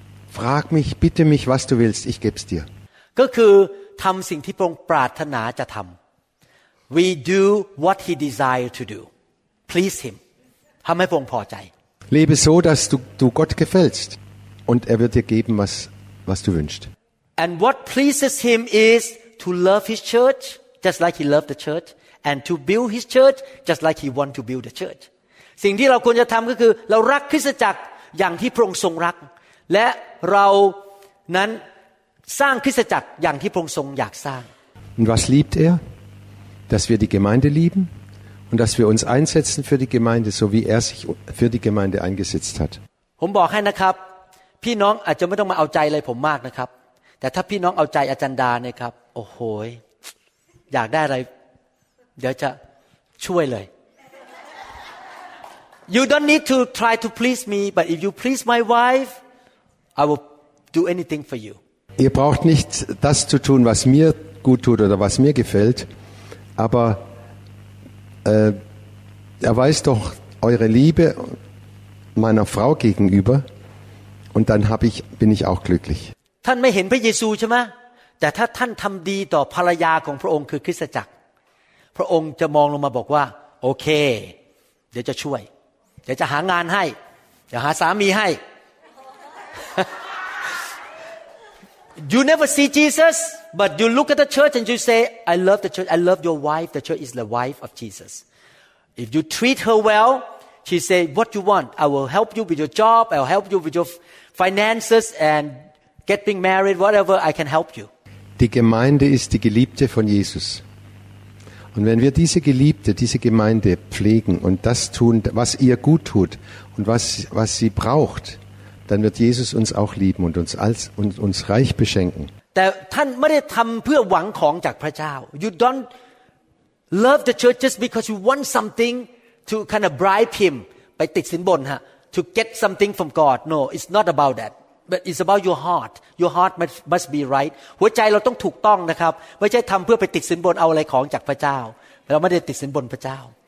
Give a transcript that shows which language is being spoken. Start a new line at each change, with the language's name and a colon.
German: Frag mich, bitte mich, was du willst, ich geb's dir.
Thai: ก็คือทำสิ่งที่พระองค์ปรารถนาจะทำ
English: We do what he desire to do. Please him.
Thai: ทำให้พระองค์พอใจ
German: Lebe so, dass du Gott gefällst und er wird dir geben, was du wünschst.
English: And what pleases him is to love his church, just like he loved the church, and to build his church, just like he want to build the church.
Thai: สิ่งที่เราควรจะทำก็คือเรารักคริสตจักรอย่างที่พระองค์ทรงรักและเรานั้นสร้างคริสตจักรอย่างที่พระองค์ทรงอยากสร้าง
German: Und was liebt er? Dass wir die Gemeinde lieben? Und dass wir uns einsetzen für die Gemeinde, so wie er sich für die Gemeinde eingesetzt hat.
Thai: ผมบอกให้นะครับพี่น้องอาจจะไม่ต้องมาเอาใจเลยผมมากนะครับแต่ถ้าพี่น้องเอาใจอาจารย์ดาเนี่ยครับโอ้โหอยากได้อะไรเดี๋ยวจะช่วยเลย
English: You don't need to try to please me, but if you please my wife, I will do anything for you.
German: Ihr braucht nicht das zu tun, was mir gut tut oder was mir gefällt, aberweiß doch eure Liebe meiner Frau gegenüber und dann bin ich auch glücklich.
Thai: ท่านไม่เห็นพระเยซูใช่ไหมแต่ถ้าท่านทำดีต่อภรรยาของพระองค์คือคริสตจักรพระองค์จะมองลงมาบอกว่าโอเคเดี๋ยวจะช่วยเดี๋ยวจะหางานให้เดี๋ยวหาสามีให้
English: You never see Jesus but you look at the church and you say I love the church I love your wife the church is the wife of Jesus if you treat her wellShe say, "What you want? I will help you with your job. I'll help you with your finances and getting married. Whatever I can help you."
German: Die Gemeinde ist die Geliebte von Jesus. Und wenn wir diese Geliebte, diese Gemeinde pflegen und das tun, was ihr gut tut und was sie braucht, dann wird Jesus uns auch lieben und uns reich beschenken.
Thai: แต่ท่านไม่ได้ทำเพื่อหวังของจากพระเจ้า
English: You don't love the church just because you want something. To kind of bribe him,
Thai: ไปติดสินบนฮะ
English: to get something from God. No, it's not about that. But it's about your heart. Your heart must be right.
Thai: หัวใจเราต้องถูกต้องนะครับไม่ใช่ทำเพื่อไปติดสินบนเอาอะไรของจากพระเจ้าเราไม่ได้ติดสินบนพระเจ้า